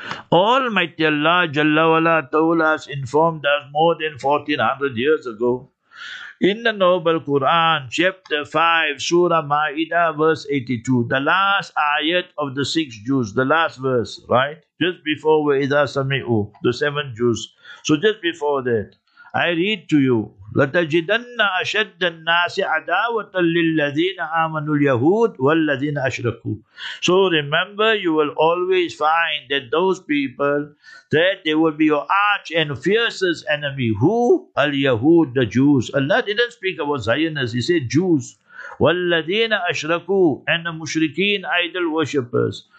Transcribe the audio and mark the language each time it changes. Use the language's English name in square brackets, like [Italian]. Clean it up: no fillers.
[English] Almighty Allah Jalla wala Ta'ala has informed us more than 1400 years ago in the Noble Quran, chapter 5, Surah Ma'idah, verse 82, the last ayat of the 6 Jews, the last verse, right? Just before Wa'idah Sami'u, the 7 Jews. So just before that, I read to you, [Arabic] لَتَجِدَنَّ أَشَدَّ النَّاسِ عَدَاوَةً لِلَّذِينَ آمَنُوا الْيَهُودِ وَالَّذِينَ أَشْرَكُوا. [English] So remember, you will always find that those people, that they will be your arch and fiercest enemy. Who? Al-Yahud, the Jews. Allah didn't speak about Zionists, he said Jews. [Arabic] وَالَّذِينَ أَشْرَكُوا [English] and the mushrikeen, idol worshippers.